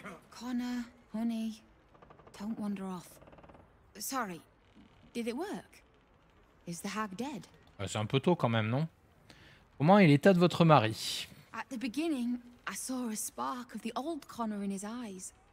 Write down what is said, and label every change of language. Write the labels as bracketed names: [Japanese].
[English] Connor, honey, don't wander off. Sorry, did it work? Is the hag dead? [French] C'est un peu tôt quand même, non? Comment est l'état de votre mari? [English] At the beginning, I saw a spark of the old Connor in his eyes.